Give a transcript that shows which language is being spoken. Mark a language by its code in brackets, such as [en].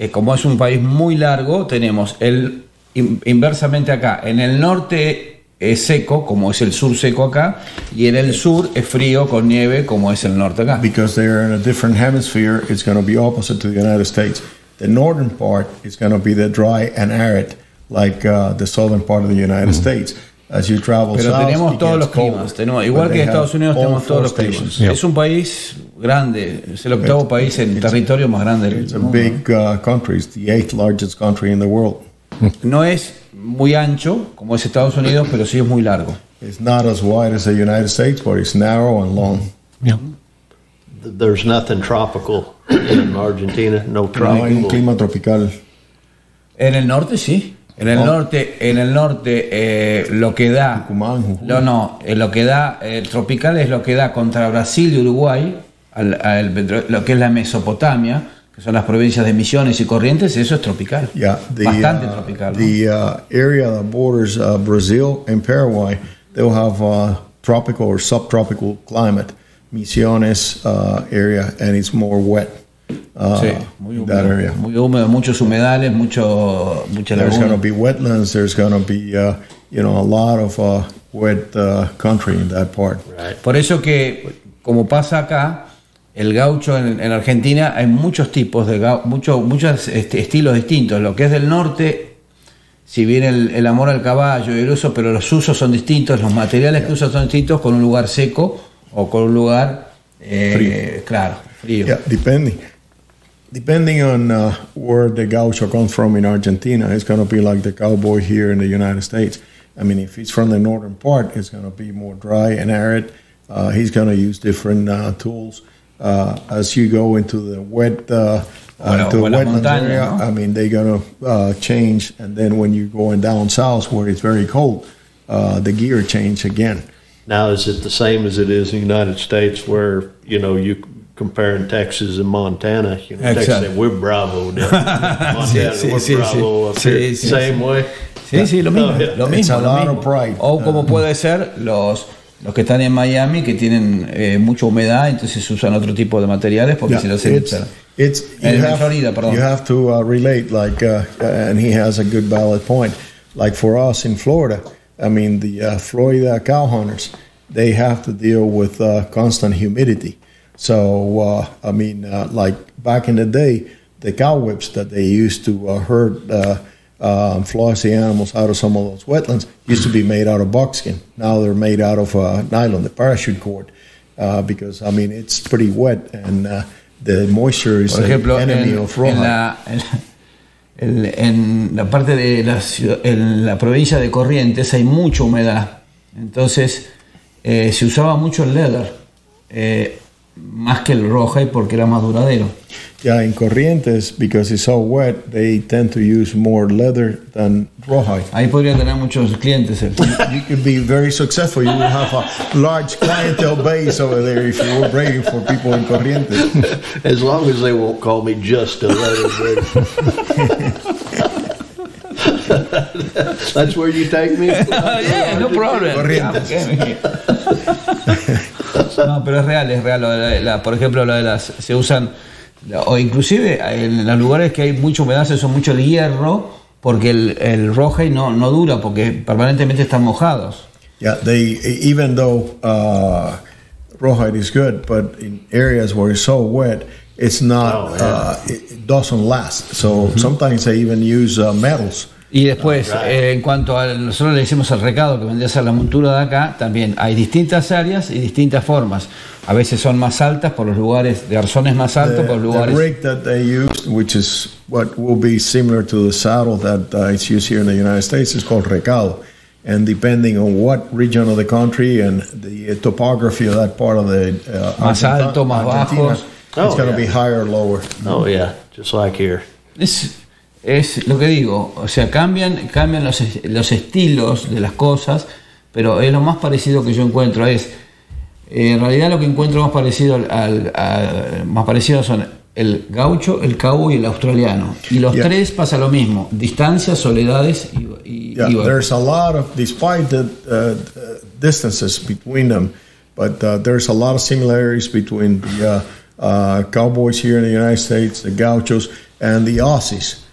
[es] Como es un país muy largo, tenemos el inversamente acá. En el norte es seco, como es el sur seco acá, y en el sur es frío con nieve, como es el norte acá. [en] Because they're in a different hemisphere, it's going to be opposite to the United States. The northern part is going to be the dry and arid, like the southern part of the United States. As you travel [es] pero [en] south, [es] pero tenemos todos los climas. Tenemos, igual que en Estados Unidos, tenemos todos los climas. [en] Yep. [es] Es un país grande. Es el octavo país en territorio más grande del mundo. [en] It's a big country. It's the eighth largest country in the world. [es] No es muy ancho, como es Estados Unidos, pero sí es muy largo. [en] It's not as wide as the United States, but it's narrow and long. Yeah. There's nothing tropical in Argentina, no tropical. [es] No hay un clima tropical. En el norte, sí. En el norte, lo que da... Tucumán, Jujuy. No, lo que da tropical es lo que da contra Brasil y Uruguay, lo que es la Mesopotamia, que son las provincias de Misiones y Corrientes, eso es tropical. [en] Yeah, [es] bastante tropical. [en] The [es] ¿no? [en] Area that borders Brazil and Paraguay, they'll have a tropical or subtropical climate. Misiones area, and it's more wet. [es] Muy húmedo, muchos humedales, muchas lagunas. [en] There's going to be wetlands, there's going to be, you know, a lot of wet country in that part. Right. [es] Por eso que, como pasa acá, el gaucho en Argentina, hay muchos tipos de gaucho, muchos estilos distintos. Lo que es del norte, si bien el amor al caballo y el uso, pero los usos son distintos, los materiales que usan son distintos con un lugar seco o con un lugar frío. [en] Yeah, depending on where the gaucho comes from in Argentina, it's going to be like the cowboy here in the United States. I mean, if it's from the northern part, it's going to be more dry and arid. He's going to use different tools. As you go into the wet wetland area, [es] ¿no? [en] I mean, they're going to change. And then when you're going down south where it's very cold, the gear change again. Now, is it the same as it is in the United States where, you know, you comparing Texas and Montana, you know, exactly. Texas said, we're bravo down here. Montana, we're bravo up here. Same way. [es] Sí, lo mismo. Lo mismo. [en] Pride. [es] O como puede ser los que están en Miami, que tienen mucha humedad, entonces usan otro tipo de materiales porque si no se usan. En Florida, perdón. [en] You have to relate, like, and he has a good valid point. Like for us in Florida, I mean, the Florida cow hunters, they have to deal with constant humidity. So, I mean, like back in the day, the cow whips that they used to herd flossy animals out of some of those wetlands used to be made out of buckskin. Now they're made out of nylon, the parachute cord, because, I mean, it's pretty wet, and the moisture is an enemy of rawhide. [es] En la parte de la ciudad, en la provincia de Corrientes hay mucha humedad, entonces se usaba mucho el leather más que el roja porque era más duradero. [en] Yeah, in Corrientes, because it's so wet, they tend to use more leather than rawhide. [es] Ahí podría tener muchos clientes. [en] You could be very successful. You would have a large clientele base over there if you were braiding for people in Corrientes. As long as they won't call me just a leather braider. That's where you take me? Yeah, no problem. Corrientes. [es] No, pero es real lo de la, por ejemplo, lo de las, se usan... O inclusive en los lugares que hay mucha humedad se usa mucho el hierro porque el roja no dura porque permanentemente están mojados. Yeah, they even though roja is good, but in areas where it's so wet, it's not it doesn't last. So sometimes they even use metals. Y después en cuanto a nosotros le decimos el recado que vendría a ser la montura de acá, también hay distintas áreas y distintas formas. A veces son más altas por los lugares de arzones más altos, por los lugares. [en] The rig that they use, which is what will be similar to the saddle that is used here in the United States, is called recado. And depending on what region of the country and the topography of that part of the [es] más alto, más bajo, [en] it's going to be higher or lower. Oh yeah, just like here. [es] Es lo que digo, o sea, cambian los estilos de las cosas, pero es lo más parecido que yo encuentro, es en realidad lo que encuentro más parecido más parecido son el gaucho, el cowboy y el australiano, y los tres pasa lo mismo, distancias, soledades y [en] there's a lot of despite the distances between them, but there's a lot of similarities between the cowboys here in the United States, the gauchos and the Aussies.